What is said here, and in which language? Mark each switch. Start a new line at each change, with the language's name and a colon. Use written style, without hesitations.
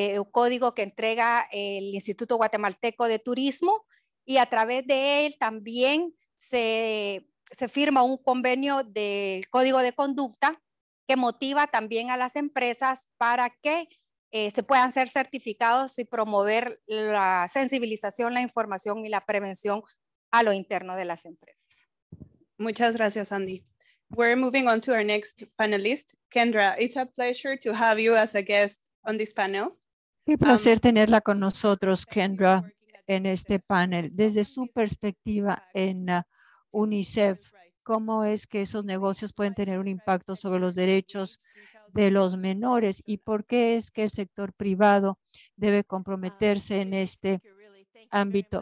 Spanish: código que entrega el Instituto Guatemalteco de Turismo, y a través de él también se firma un convenio del código de conducta que motiva también a las empresas para que se puedan ser certificados y promover la sensibilización, la información y la prevención a lo interno de las empresas. Muchas gracias,
English: Andy. We're moving on to our next panelist. Kendra, it's a pleasure to have you as a guest on this panel.
Spanish: Qué placer tenerla con nosotros, Kendra, en este panel. Desde su perspectiva en UNICEF, ¿cómo es que esos negocios pueden tener un impacto sobre los derechos de los menores? ¿Y por qué es que el sector privado debe comprometerse en este ámbito?